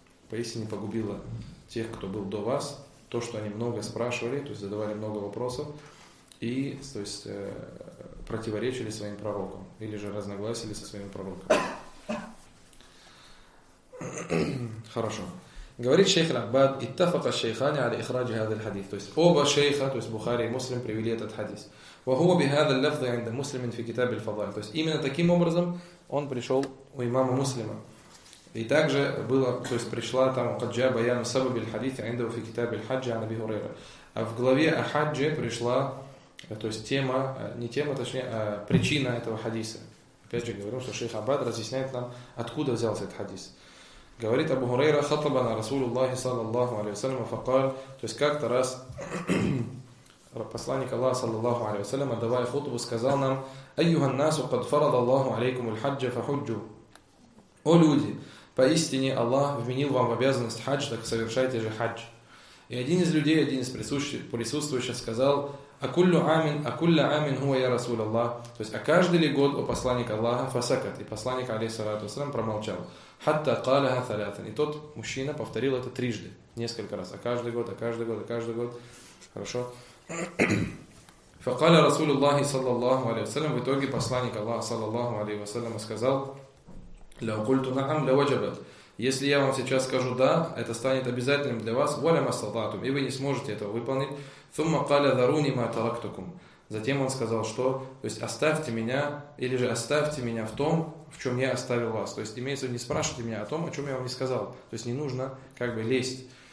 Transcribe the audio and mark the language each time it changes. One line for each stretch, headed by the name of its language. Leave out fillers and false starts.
Russian: Поистине погубило тех, кто был до вас, то, что они много спрашивали, то есть, задавали много вопросов и, то есть, противоречили своим пророкам или же разногласили со своими пророками. Хорошо. Говорит шейх Аль-Аббад,
Arabic: «Иттафака шейхани али ихраджи хадзал хадис».
Russian: То есть, оба шейха, то есть, Бухари и Муслим, привели этот хадис.
Arabic: وَهُوَ بِهَذَا اللَّفْضِ عِنْدَ مُسْلِمٍ فِي كِتَابِ الْفَضَائِلِ.
Russian: То есть именно таким образом он пришел у имама Муслима. И также было, то есть пришла там
Arabic: قَجَّى بَيَانُ سَبَبِ الْحَدِيثِ عِنْدَهُ فِي كِتَابِ الْحَجِّ عَنْ أَبِي هُرَيْرَةَ.
Russian: А в главе о хаджи пришла, то есть тема, не тема, точнее, а причина этого хадиса. Опять же говорим, что шейх Аббад разъясняет нам, откуда взялся этот хадис. Говорит Абу Хурейра,
Arabic: خَطَبَنَا رَسُولُ اللَّهِ صَلَى اللَّهُ عَلَيْهِ وَسَلَّمَ فَقَالَ.
Russian: То есть как-то раз посланник Аллаха, саллаллаху алейхи ва саллям, давая хутбу, сказал нам:
Arabic: «Айюха ан-насу, кад фарада Аллаху алейкум аль-хаджа фахуджу».
Russian: О люди, поистине Аллах вменил вам в обязанность хадж, так совершайте же хадж. И один из людей, один из присутствующих сказал:
Arabic: а кулля амин хуа я расул Аллах.
Russian: То есть, а каждый ли год, о посланник Аллаха,
Arabic: фасакат.
Russian: И посланник, алейхиссалату вассалям, промолчал.
Arabic: Хатта каляха салятан.
Russian: И тот мужчина повторил это трижды, несколько раз. А каждый год. Хорошо.
Arabic: فقال رسول الله صلى الله عليه وسلم
Russian: в итоге посланник Аллаха
Arabic: صلى الله عليه وسلم
Russian: сказал:
Arabic: لو قلت نعم لوجبت.
Russian: Если я вам сейчас скажу да, это станет обязательным для вас,
Arabic: ولا ما استطعتم,
Russian: и вы не сможете этого выполнить.
Arabic: ثم قال ذروني ما تركتكم.
Russian: Затем он сказал, что, то есть, оставьте меня, или же оставьте меня в том, в чем я оставил вас. То есть имеется в виду, не спрашивайте меня о том, о чем я вам не сказал. То есть не нужно как бы лезть.